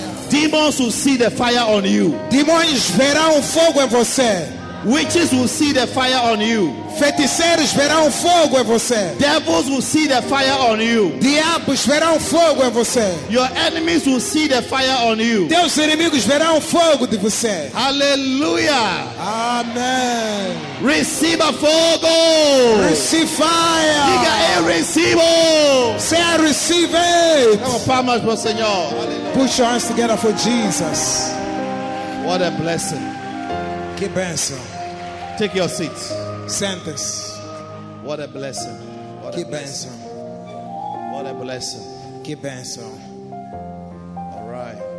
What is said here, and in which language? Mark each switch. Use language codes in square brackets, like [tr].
[en] Demons will see the fire on you. [pt] Demônios verão fogo em você. [en] Witches will see the fire on you. [pt] Feiticeiros verão fogo em você. [en] Devils will see the fire on you. [pt] Diabos verão fogo em você. [en] Your enemies will see the fire on you. [pt] Teus inimigos verão fogo de você. [en] Hallelujah. Amen. [pt] Receba fogo. [en] Receive fire. [pt] Diga eu recebo. [en] Say I receive it. [pt] Dá uma palma para o Senhor. [en] Put your hands together for Jesus. What a blessing. [pt] Que bênção. [en] Take your seat. [pt] Sentes. [en] What a blessing. What [pt] que bênção. [en] What a blessing. [pt] Que bênção. [en] All right.